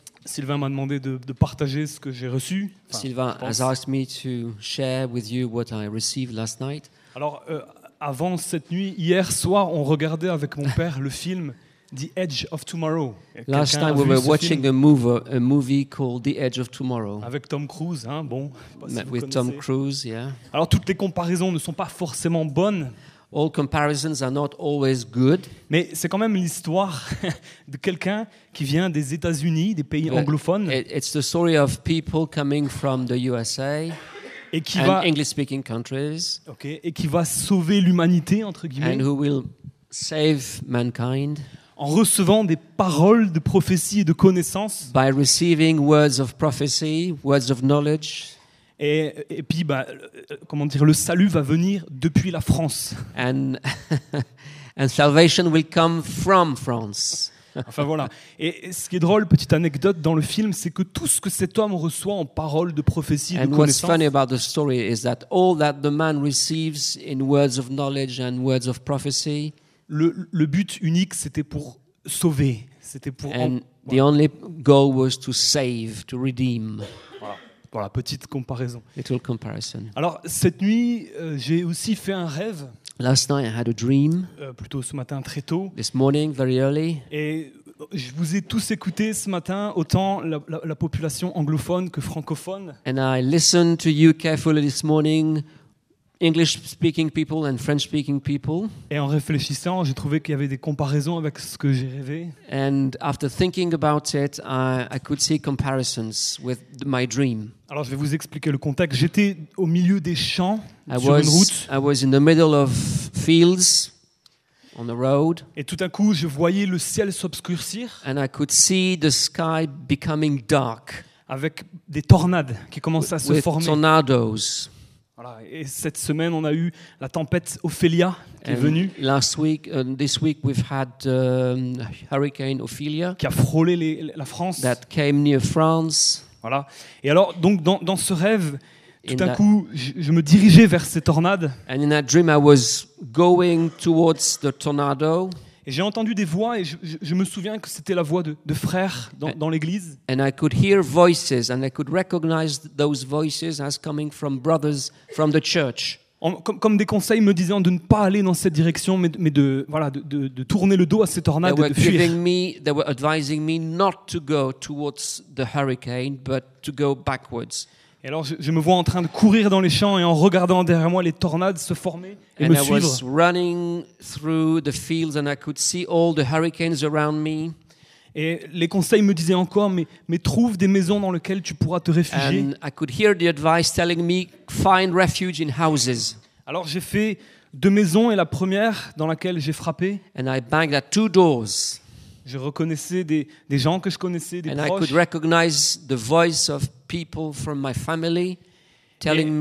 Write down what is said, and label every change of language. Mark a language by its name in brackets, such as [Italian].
[French] Sylvain m'a demandé de partager ce que j'ai reçu. Enfin, [English] Sylvain has asked me to share with you what I received last night. [French] Alors avant cette nuit, hier soir, on regardait avec mon père le film The Edge of Tomorrow. [English] Last [French] Quelqu'un [English] night we were watching a movie called The Edge of Tomorrow. [French] Avec Tom Cruise, hein, bon. [English] With Tom Cruise, yeah. [French] Alors toutes les comparaisons ne sont pas forcément bonnes. [English] All comparisons are not always good. [French] Mais c'est quand même l'histoire de quelqu'un qui vient des États-Unis, des pays anglophones. [English] It's the story of people coming from the USA. [French] Et qui [English] and [French] va [English] English-speaking countries. [French] Okay. Et qui va sauver l'humanité entre guillemets. [English] And who will save mankind. [French] En recevant des paroles de prophétie et de connaissance. [English] By receiving words of prophecy, words of knowledge. [French] Et puis, bah, comment dire, le salut va venir depuis la France. And salvation will come from France. Enfin voilà. Et ce qui est drôle, petite anecdote dans le film, c'est que tout ce que cet homme reçoit en paroles de prophétie, [English] and [French] de connaissance. [English] And what's funny about the story is that all that the man receives in words of knowledge and words of prophecy. [French] Le but unique, c'était pour sauver. C'était pour. [English] And the only goal was to save, to redeem. [French] Voilà, pour la petite comparaison. [English] Little comparison. [French] Alors cette nuit, j'ai aussi fait un rêve. [English] Last night I had a dream. [French] Plutôt ce matin très tôt. [English] This morning very early. [French] Et je vous ai tous écoutés ce matin, autant la population anglophone que francophone. [English] And I listened to you carefully this morning. English-speaking people and French-speaking people. [French] Et en réfléchissant, j'ai trouvé qu'il y avait des comparaisons avec ce que j'ai rêvé. [English] And after thinking about it, I could see comparisons with my dream. [French] Alors je vais vous expliquer le contexte. J'étais au milieu des champs une route. [English] I was in the middle of fields on the road. [French] Et tout à coup, je voyais le ciel s'obscurcir. [English] And I could see the sky becoming dark. [French] Avec des tornades qui commençaient à se former. [English] With tornadoes. [French] Voilà. Et cette semaine, on a eu la tempête Ophelia qui est venue. [English] Last week, this week we've had Hurricane Ophelia [French] qui a frôlé la France. [English] That came near France. [French] Voilà. Et alors, donc, dans ce rêve, tout d'un coup, je me dirigeais vers ces tornades. [English] And in that dream, I was going towards the tornado. [French] Et j'ai entendu des voix, et je me souviens que c'était la voix de frères dans l'église. [English] And I could hear voices, and I could recognize those voices as coming from brothers from the church. [French] Comme des conseils me disant de ne pas aller dans cette direction, mais de tourner le dos à ces tornades et de fuir. [English] They were advising me not to go towards the hurricane, but to go backwards. [French] Et alors je me vois en train de courir dans les champs et en regardant derrière moi les tornades se former et me suivre. [English] And I was running through the fields and I could see all the hurricanes around me. [French] Et les conseils me disaient encore mais trouve des maisons dans lesquelles tu pourras te réfugier. [English] And I could hear the advice telling me find refuge in houses. [French] Alors j'ai fait deux maisons et la première dans laquelle j'ai frappé. [English] And I banged at two doors. [French] Je reconnaissais des gens que je connaissais, des [English] and [French] proches. [English] And I could recognize the voice of people from my family telling